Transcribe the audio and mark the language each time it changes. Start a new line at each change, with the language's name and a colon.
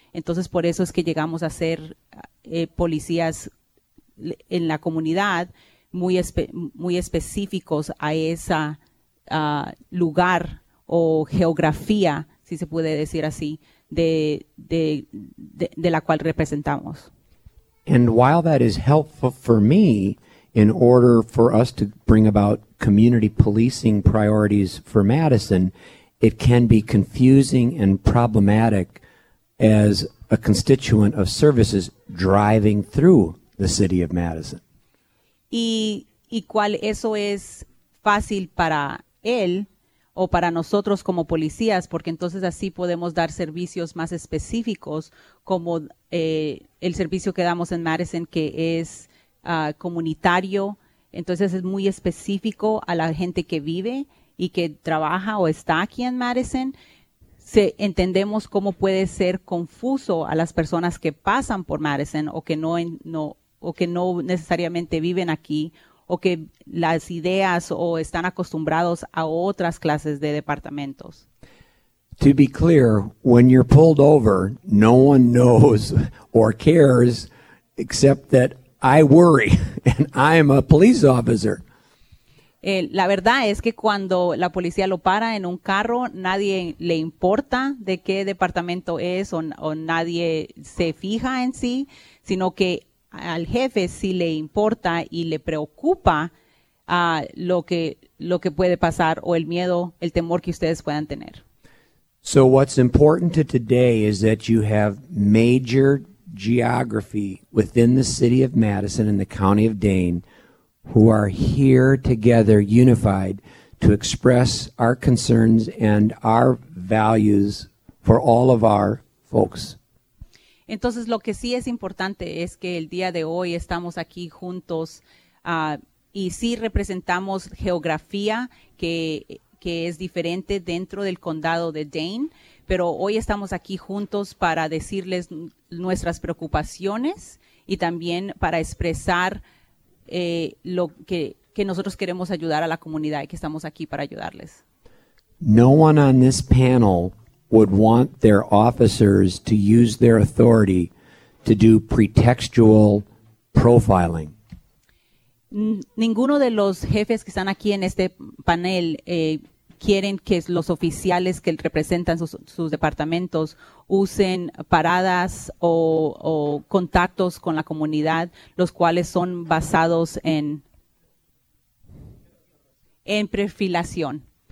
Spanish: Entonces, por eso es que llegamos a ser policías en la comunidad muy específicos a ese lugar o geografía, si se puede decir así, de la cual representamos.
English: And while that is helpful for me, in order for us to bring about community policing priorities for Madison, it can be confusing and problematic as a constituent of services driving through the city of Madison.
Spanish: Y cuál eso es fácil para él o para nosotros como policías, porque entonces así podemos dar servicios más específicos como el servicio que damos en Madison, que es comunitario. Entonces es muy específico a la gente que vive y que trabaja o está aquí en Madison. Entendemos cómo puede ser confuso a las personas que pasan por Madison o que no necesariamente viven aquí, o que las ideas o están acostumbrados a otras clases de departamentos.
English: To be clear, when you're pulled over, no one knows or cares except that I worry and I'm a police officer.
Spanish: La verdad es que cuando la policía lo para en un carro, nadie le importa de qué departamento es o nadie se fija en sí, sino que al jefe sí le importa y le preocupa lo que puede pasar o el miedo, el temor que ustedes puedan tener.
English: So what's important to today is that you have major geography within the city of Madison and the county of Dane who are here together unified to express our concerns and our values for all of our folks.
Spanish: Entonces, lo que sí es importante es que el día de hoy estamos aquí juntos y sí representamos geografía que es diferente dentro del condado de Dane, pero hoy estamos aquí juntos para decirles nuestras preocupaciones y también para expresar lo que nosotros queremos ayudar a la comunidad y que estamos aquí para ayudarles.
English: No one on this panel would want their officers to use their authority to do pretextual profiling.
Spanish: Ninguno de los jefes que están aquí en este panel quieren que los oficiales que representan sus departamentos usen paradas o contactos con la comunidad, los cuales son basados en perfilación.